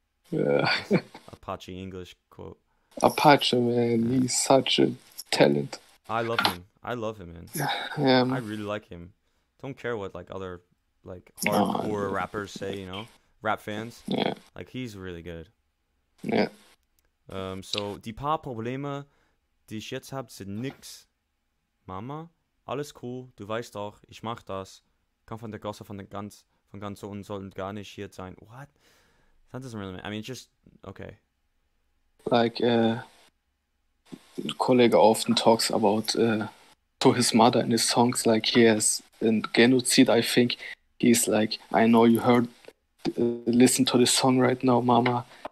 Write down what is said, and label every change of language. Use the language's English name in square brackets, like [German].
[English] Yeah. Apache English quote. Apache, man, he's such a talent. I love him. I love him, man. Yeah, I really like him. Don't care what like other like hardcore rappers say, you know? Rap fans. Yeah. Like he's really good. Yeah. [German] So die paar Probleme, die ich jetzt hab, sind nix. Mama, alles cool, du weißt doch, ich mach das. Komm von der Gosse von ganz unten sollten gar nicht hier sein. [English] What? That doesn't really matter. I mean, just okay. Like Kollege often talks about to his mother in his songs, like he has in genocide, I think. He's like, I know you heard listen to this song right now, mama.